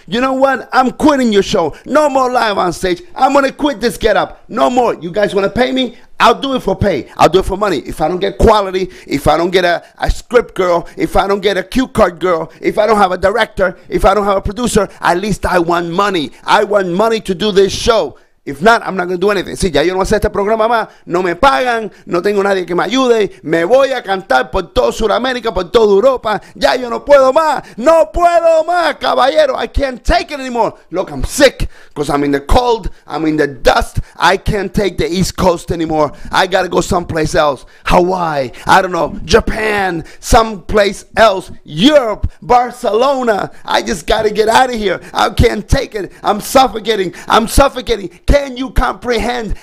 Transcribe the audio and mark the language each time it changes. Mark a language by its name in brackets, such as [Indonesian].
[English] You know what? I'm quitting your show. No more live on stage. I'm going to quit this getup. No more. You guys want to pay me? I'll do it for pay. I'll do it for money. If I don't get quality, if I don't get a script girl, if I don't get a cue card girl, if I don't have a director, if I don't have a producer, at least I want money. I want money to do this show. If not, I'm not going to do anything. [Spanish] Si, ya yo no hacer este programa más, no me pagan, no tengo nadie que me ayude, me voy a cantar por todo Sudamérica, por toda Europa, ya yo no puedo más, no puedo más, caballero, [English] I can't take it anymore. Look, I'm sick, because I'm in the cold, I'm in the dust, I can't take the East Coast anymore, I gotta go someplace else, Hawaii, I don't know, Japan, someplace else, Europe, Barcelona, I just gotta get out of here, I can't take it, I'm suffocating, can you comprehend?